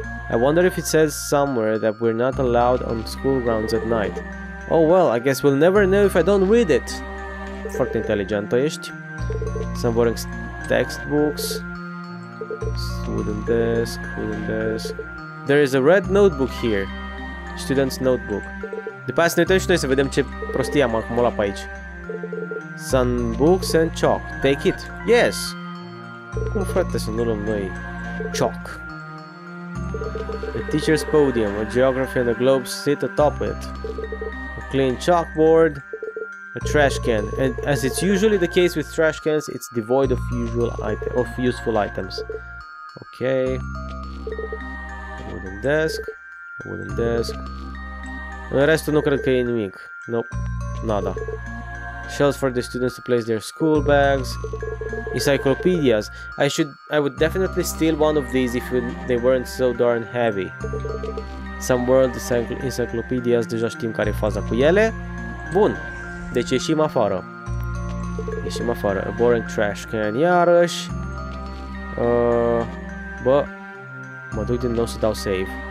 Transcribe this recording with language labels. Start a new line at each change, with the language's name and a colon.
English: I wonder if it says somewhere that we're not allowed on school grounds at night. Oh well, I guess we'll never know if I don't read it.
Romanian: Foarte inteligentă ești.
English: Some boring textbooks. Wooden desk, wooden desk. There is a red notebook here. Student's notebook.
Romanian: După aceea să ne uităm și noi să vedem ce prostie am acumulat pe aici.
English: Some books and chalk. Take it. Yes!
Romanian: Cum frate să nu luăm noi chalk?
English: A teacher's podium. A geography and a globe sit atop it. A clean chalkboard. A trash can. And as it's usually the case with trash cans, it's devoid of usual of useful items. Ok. Wooden desk, wooden desk.
Romanian: În restul nu cred că e nimic.
English: Nope, nada. Shelves for the students to place their school bags. Encyclopedias. I would definitely steal one of these if they weren't so darn heavy. Some world encyclopedias,
Romanian: deja știm care e faza cu ele. Bun, deci ieșim afară. Ieșim afară.
English: A boring trash can,
Romanian: iarăși. Bă, mă duc din nou să dau save.